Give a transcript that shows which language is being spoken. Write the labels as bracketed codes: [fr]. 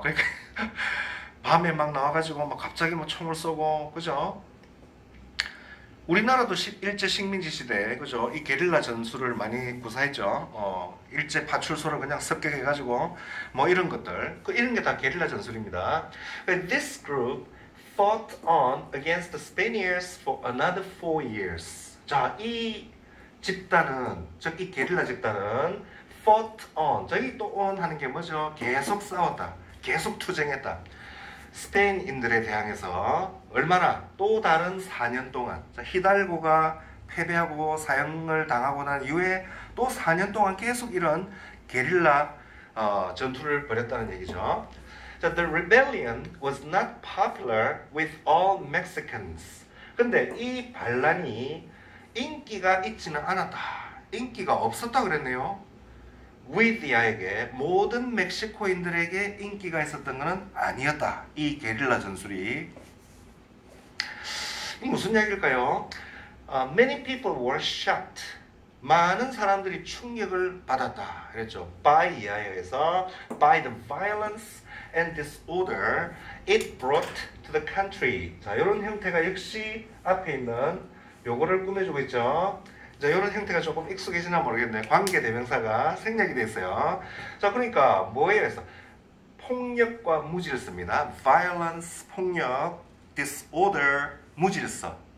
[ko] 그러니까 밤에 막 나와가지고 막 갑자기 뭐 총을 쏘고 그죠? 우리나라도 일제 식민지 시대 그죠? 이 게릴라 전술을 많이 구사했죠. 일제 파출소를 그냥 습격해가지고 뭐 이런 것들 그 이런 게 다 게릴라 전술입니다. [en] This group fought on against the Spaniards for another 4 years. [ko] 자, 이 집단은, 즉 이 게릴라 집단은 [en] fought on, [ko] 저기 또 on 하는 게 뭐죠? 계속 싸웠다, 계속 투쟁했다. 스페인인들에 대항해서 얼마나 또 다른 4년 동안 자, 히달고가 패배하고 사형을 당하고 난 이후에 또 4년 동안 계속 이런 게릴라 전투를 벌였다는 얘기죠. [en] So the rebellion was not popular with all Mexicans. [ko] 근데 이 반란이 인기가 있지는 않았다. 인기가 없었다 그랬네요. With야에게 모든 멕시코인들에게 인기가 있었던 것은 아니었다. 이 게릴라 전술이. 이 무슨 이야기일까요? [en] Many people were shocked. [ko] 많은 사람들이 충격을 받았다. 그랬죠. [en] By야에서 by the violence and disorder it brought to the country. [ko] 자, 이런 형태가 역시 앞에 있는 요거를 꾸며주고 있죠. 자, 이런 형태가 조금 익숙해지나 모르겠네. 관계 대명사가 생략이 됐어요. 자, 그러니까 뭐에 의해서 폭력과 무질서입니다. Violence, 폭력, disorder, 무질서.